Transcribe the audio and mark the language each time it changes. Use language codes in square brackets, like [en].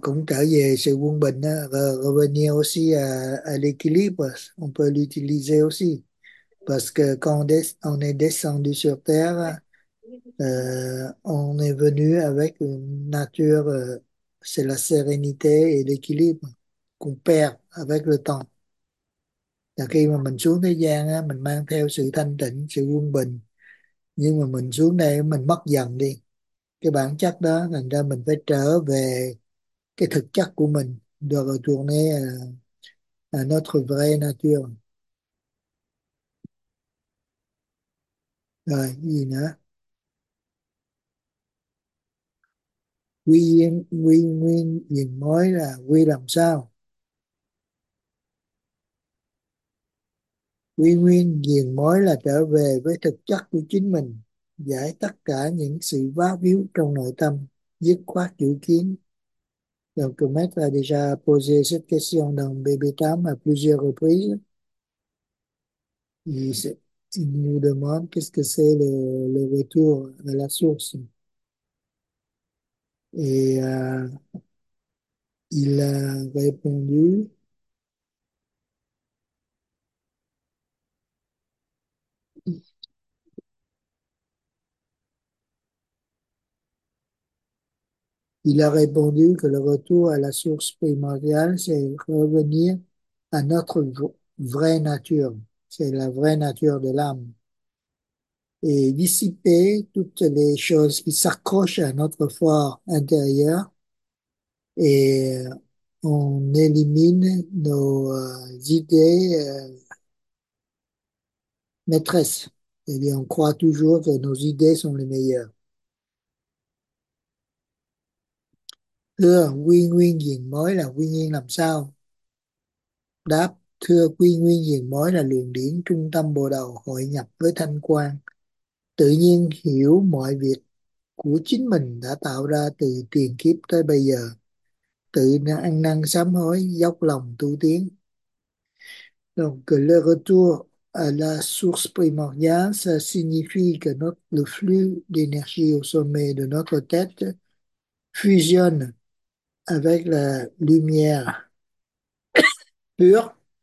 [vi] cũng trở về sự quân bình á, [fr] revenir aussi à l'équilibre, on peut l'utiliser aussi, parce que quand on est descendu sur terre, on est venu avec une nature, c'est la sérénité et l'équilibre qu'on perd avec le temps. [vi] Là khi mà mình xuống thế gian, mình mang theo sự thanh tịnh, sự quân bình, nhưng mà mình xuống đây mình mất dần đi cái bản chất đó, thành ra mình phải trở về cái thực chất của mình, được [fr] retourner à notre vraie nature. [vi] Rồi, gì nữa? Quy nguyên nhìn mới là quy làm sao? Quy nguyên diền mới là trở về với thực chất của chính mình, giải tất cả những sự vá víu trong nội tâm, dứt khoát chủ kiến. [fr] Donc, tu mets as déjà posé cette question dans BB8 à plusieurs reprises. Il nous demande qu'est-ce que c'est le retour à la source. Et il a répondu. Il a répondu que le retour à la source primordiale, c'est revenir à notre vraie nature, c'est la vraie nature de l'âme. Et dissiper toutes les choses qui s'accrochent à notre foi intérieure et on élimine nos idées maîtresses. Et bien on croit toujours que nos idées sont les meilleures. [vi] Thưa quy nguyên diền mới là quy nguyên làm sao? Đáp: Thưa quy nguyên diền mới là luyện điển trung tâm bồ đầu hội nhập với thanh quang. Tự nhiên hiểu mọi việc của chính mình đã tạo ra từ tiền kiếp tới bây giờ. Tự ăn năn sám hối, dốc lòng tu tiến. [fr] Donc, le retour à la source primordiale, ça signifie que notre, le flux d'énergie au sommet de notre tête fusionne avec la lumière pure,